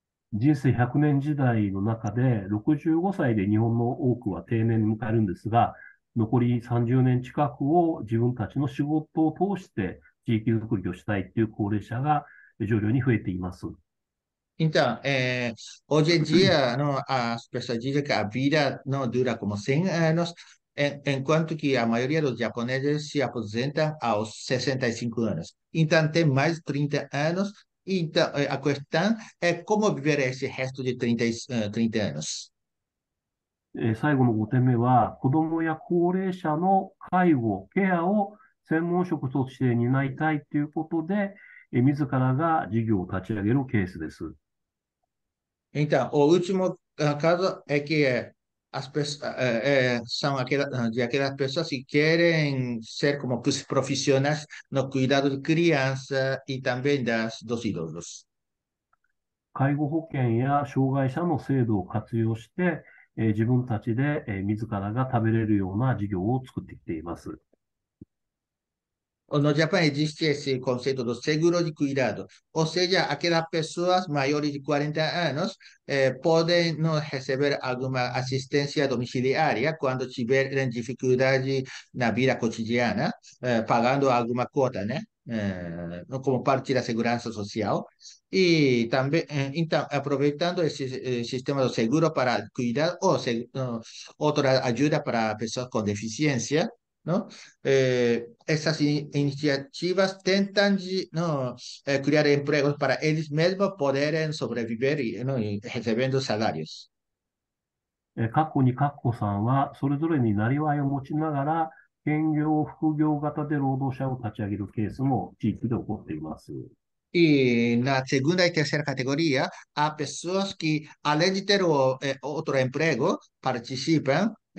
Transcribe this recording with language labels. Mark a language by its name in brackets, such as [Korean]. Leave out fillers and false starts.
[Japanese] 人生100年時代の中で、65歳で日本の多くは定年に向かうんですが、残り30年近くを自分たちの仕事を通して地域づくりをしたいという高齢者が徐々に増えています。 [Portuguese] Então, hoje em dia, não, as pessoas dizem que a vida não dura como 100 anos, enquanto que a maioria dos japoneses se aposenta aos 65 anos. Então, tem mais de 30 anos, então, a questão é como viver esse resto de 30 anos. [Japanese] 最後の5点目は、子供や高齢者の介護、ケアを専門職として担いたいということで、自らが事業を立ち上げるケースです。 [Portuguese] Então, o último caso é que as pessoas são aquelas pessoas que querem ser como profissionais no cuidado de criança e também dos idosos. [Japanese] 介護保険や障害者の制度を活用して、自分たちで自らが食べれるような事業を作ってきています。 [Portuguese] No Japão existe esse conceito do seguro de cuidado, ou seja, aquelas pessoas maiores de 40 anos podem não receber alguma assistência domiciliária quando tiverem dificuldade na vida cotidiana, pagando alguma cota, né? Como parte da segurança social. E também, então, aproveitando esse sistema do seguro para cuidar ou outra ajuda para pessoas com deficiência. Não? Essas iniciativas tentam de não, criar empregos para eles mesmos poderem sobreviver não, e recebendo salários. [Japanese] カッコ2、カッコ3は、それぞれになりわいを持ちながら、兼業、副業型で労働者を立ち上げるケースも地域で起こっています。 [Portuguese] E na segunda e terceira categoria, há pessoas que, além de ter outro emprego, participam.